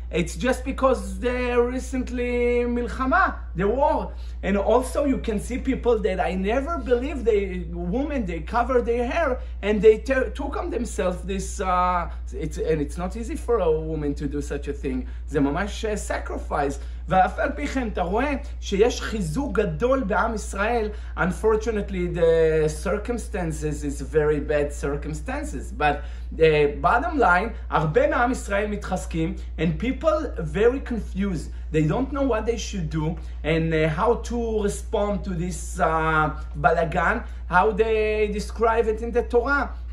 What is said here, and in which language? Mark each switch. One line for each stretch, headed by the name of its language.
English: It's just because they recently milchama, the war. And also you can see people that I never believed, the women, they cover their hair and they took on themselves this, and it's not easy for a woman to do such a thing.
Hebrew: זה ממש
English: sacrifice.
Hebrew: ואף על פי כן, אתה רואה שיש חיזוק גדול בעם ישראל.
English: Unfortunately, the circumstances is very bad circumstances. But the bottom line,
Hebrew: הרבה מעם ישראל מתחזקים,
English: and people very confused. They don't know what they should do, and how to respond to this balagan, how they describe it in the Torah.